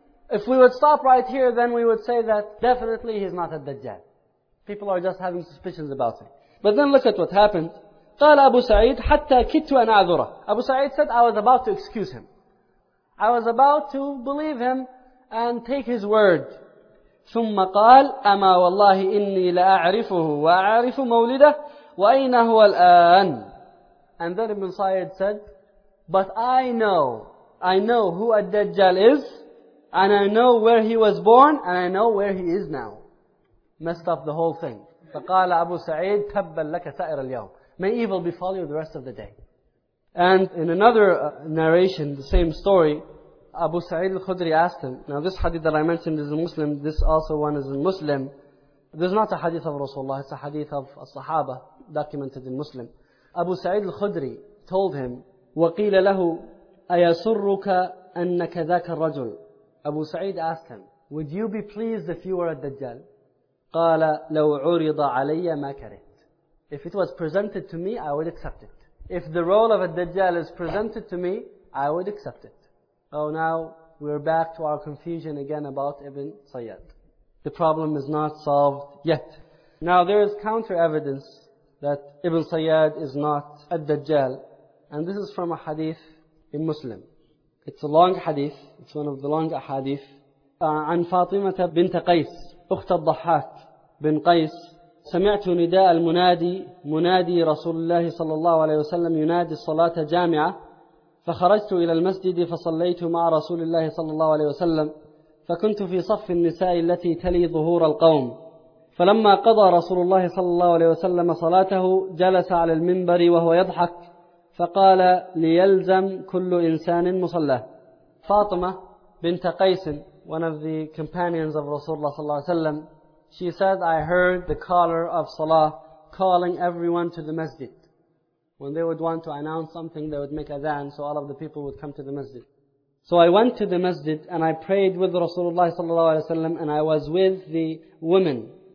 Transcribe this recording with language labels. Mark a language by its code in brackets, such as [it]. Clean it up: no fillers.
[en] If we would stop right here, then we would say that definitely he's not a Dajjal. People are just having suspicions about him. But then look at what happened. [ar] قال أبو سعيد حتى كدت أن أعذره. [en] Abu Sa'id said, I was about to excuse him. I was about to believe him and take his word. [ar] ثم قال أما والله إني لأعرفه وأعرف مولده وأين هو الآن. [en] And then Ibn Sa'id said, but I know who Ad-Dajjal is, and I know where he was born, and I know where he is now. Messed up the whole thing. [ar] فقال أبو سعيد تبا لك سائر اليوم. [en] May evil befall you the rest of the day. And in another narration, the same story, Abu Sa'id al-Khudri asked him, now this hadith that I mentioned is a Muslim, this also one is a Muslim. This is not a hadith of Rasulullah, it's a hadith of a Sahaba documented in Muslim. Abu Sa'id al-Khudri told him, [ar] وَقِيلَ لَهُ أَيَسُرُّكَ أَنَّكَ ذَاكَ الرَّجُلِ. [en] Abu Sa'id asked him, would you be pleased if you were a Dajjal? [ar] قَالَ لَوْ عُرِضَ عَلَيَّ مَا كَرِهْ. [en] If it was presented to me, I would accept it. If the role of a Dajjal is presented to me, I would accept it. Oh, now we're back to our confusion again about Ibn Sayyad. The problem is not solved yet. Now there is counter evidence that Ibn Sayyad is not a Dajjal. And this is from a hadith in Muslim. It's a long hadith. It's one of the long hadith. [ar] عن فاطمة بنت قيس أخت الضحاك بن قيس سمعت نداء المنادي منادي رسول الله صلى الله عليه وسلم ينادي الصلاة جامعة فخرجت إلى المسجد فصليت مع رسول الله صلى الله عليه وسلم فكنت في صف النساء التي تلي ظهور القوم فلما قضى رسول الله صلى الله عليه وسلم صلاته جلس على المنبر وهو يضحك فقال ليلزم كل إنسان مصلاه. [en] فاطمة بنت قيس, one of the companions of [ar] رسول الله صلى الله عليه وسلم, [en] she said, I heard the caller of Salah calling everyone to the masjid. When they would want to announce something, they would make adhan, so all of the people would come to the masjid. So I went to the masjid and I prayed with Rasulullah sallallahu alayhi wa sallam, and I was with the women.